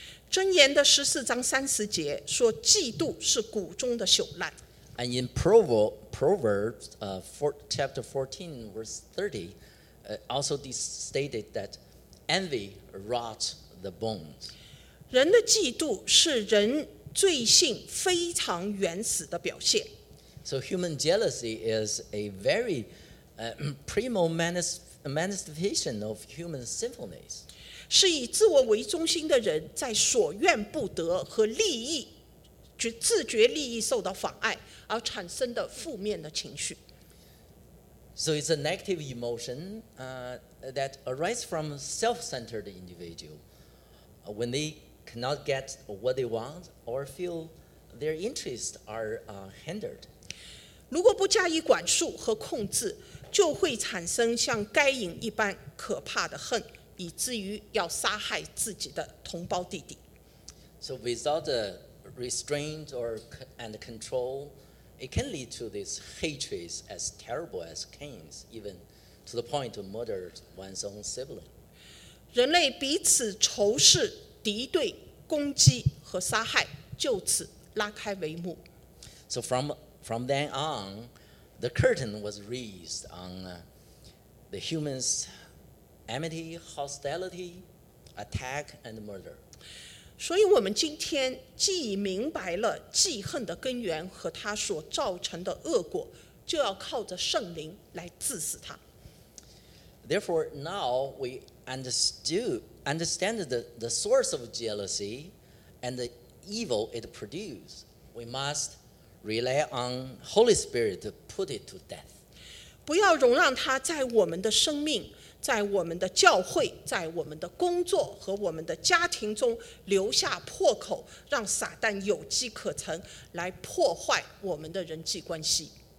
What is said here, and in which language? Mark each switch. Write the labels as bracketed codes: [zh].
[zh] 箴言的十四章三十节说嫉妒是谷中的朽烂。 [en] And in Proverbs, chapter 14, verse 30, also stated that envy rots the bones. [zh] 人的嫉妒是人罪性非常原始的表现。 [en] So human jealousy is a very primal manifestation of human sinfulness. [zh] 是以自我为中心的人在所愿不得和利益自觉利益受到妨碍而产生的负面的情绪。 [en] So it's a negative emotion that arises from a self-centered individual when they cannot get what they want or feel their interests are hindered. [zh] 如果不加以管束和控制，就会产生像该隐一般可怕的恨，以至于要杀害自己的同胞弟弟。 [en] So without a restraint or and control,It can lead to this hatred as terrible as Cain's, even to the point to murder one's own sibling. [zh] 人类彼此仇视、敌对、攻击和杀害，就此拉开帷幕。 [en] So from then on, the curtain was raised on the humans' enmity, hostility, attack, and murder. [zh] 所以我们今天既明白了记恨的根源和它所造成的恶果，就要靠着圣灵来致死它。 [en] Therefore, now we understand the source of jealousy and the evil it produces. We must rely on Holy Spirit to put it to death. [zh] 不要容让它在我们的生命在我们的教会在我们的工作和我们的家庭中留下破口让撒旦有机可乘来破坏我们的人际关系